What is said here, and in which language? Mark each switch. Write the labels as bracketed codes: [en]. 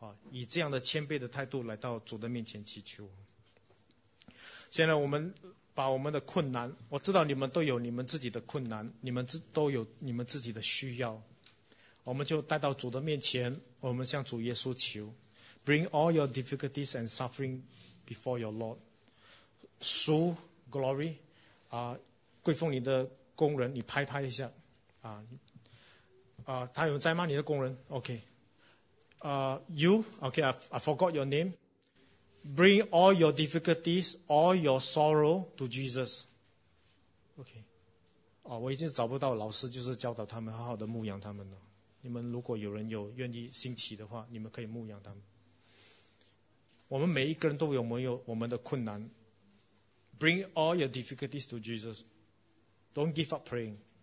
[zh] 以这样的谦卑的态度来到主的面前祈求。现在我们把我们的困难，我知道你们都有你们自己的困难，你们都有你们自己的需要，我们就带到主的面前，我们向主耶稣求。 [en] Bring all your difficulties and suffering before your Lord. [zh] 主 glory, 贵奉你的工人，你拍拍一下他有在吗？你的工人 OK。 [en] I forgot your name. Bring all your difficulties, all your sorrow to Jesus. Okay. [zh] 我已经找不到老师，就是教导他们，好好的牧养他们了。你们如果有人有愿意兴起的话，你们可以牧养他们。我们每一个人都有没有我们的困难。 [en] Bring all your difficulties to Jesus. Don't give up praying.